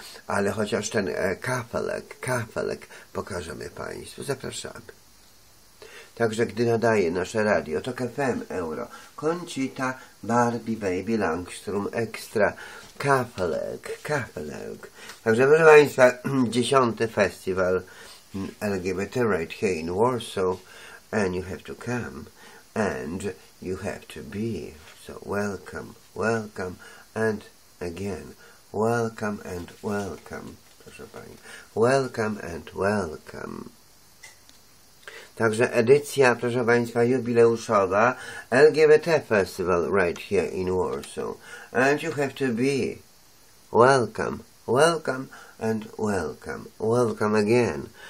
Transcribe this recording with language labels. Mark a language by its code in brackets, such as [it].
[pl] Ale chociaż ten kafelek pokażemy Państwu. Zapraszamy. Także gdy nadaje nasze radio, to KFM Euro, Concita, Barbie, Baby, Langström, Extra, Kafelek. Także proszę Państwa, 10. festiwal [en] LGBT right here in Warsaw, and you have to come, and you have to be. So welcome, welcome, and again, welcome and welcome, [pl] proszę pani. [en] Welcome and welcome. [pl] Także edycja, proszę państwa, jubileuszowa [en] LGBT Festival right here in Warsaw. And you have to be welcome, welcome and welcome, welcome again.